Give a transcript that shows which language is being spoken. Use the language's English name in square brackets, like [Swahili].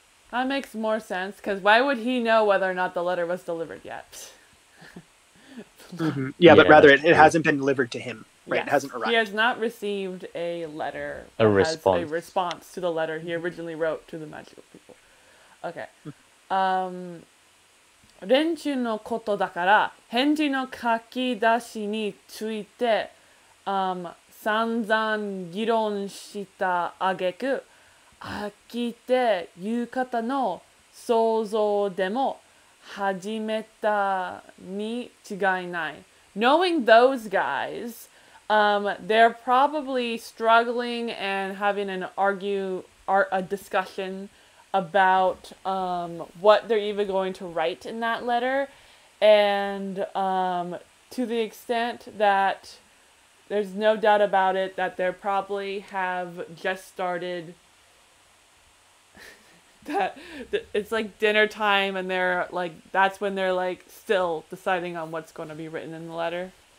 [English] That makes more sense because why would he know whether or not the letter was delivered yet? Mm-hmm. Yeah, but rather it hasn't been delivered to him. Right, yes. It hasn't arrived. He has not received a letter. A response. A response to the letter he originally wrote to the magical people. Okay. [Japanese] 連中のことだから返事の書き出しについて散々議論した挙句飽きて言う方の想像でも始めたに違いない。 [English] Knowing those guys, they're probably struggling and having an a discussion about what they're even going to write in that letter. And to the extent that there's no doubt about it, that they probably have just started, that it's like dinner time and they're like, that's when they're like still deciding on what's going to be written in the letter.